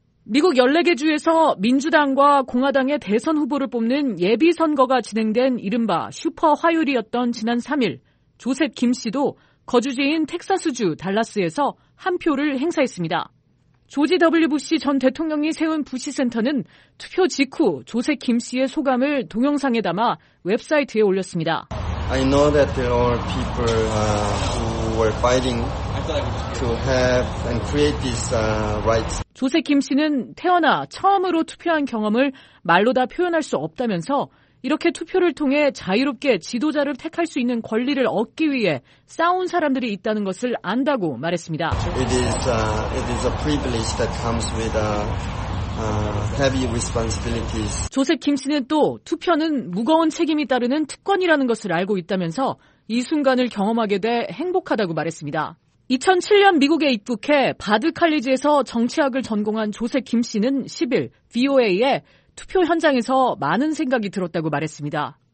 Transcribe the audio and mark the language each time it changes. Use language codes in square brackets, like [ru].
[ko] 미국 14개 주에서 민주당과 공화당의 대선 후보를 뽑는 예비선거가 진행된 이른바 슈퍼 화요일이었던 지난 3일, 조셉 김 씨도 거주지인 텍사스주 달라스에서 한 표를 행사했습니다. 조지 W. 부시 전 대통령이 세운 부시센터는 투표 직후 조셉 김 씨의 소감을 동영상에 담아 웹사이트에 올렸습니다. [en] I know that there are people who were fighting to have and create these rights. [ko] 조세 김 씨는 태어나 처음으로 투표한 경험을 말로 다 표현할 수 없다면서 이렇게 투표를 통해 자유롭게 지도자를 택할 수 있는 권리를 얻기 위해 싸운 사람들이 있다는 것을 안다고 말했습니다. [en] It is a privilege that comes with a heavy responsibilities. [ko] 조셉 김 씨는 또 투표는 무거운 책임이 따르는 특권이라는 것을 알고 있다면서 이 순간을 경험하게 돼 행복하다고 말했습니다. 2007년 미국에 입국해 바드 칼리지에서 정치학을 전공한 조셉 김 씨는 10일 VOA에 투표 현장에서 많은 생각이 들었다고 말했습니다.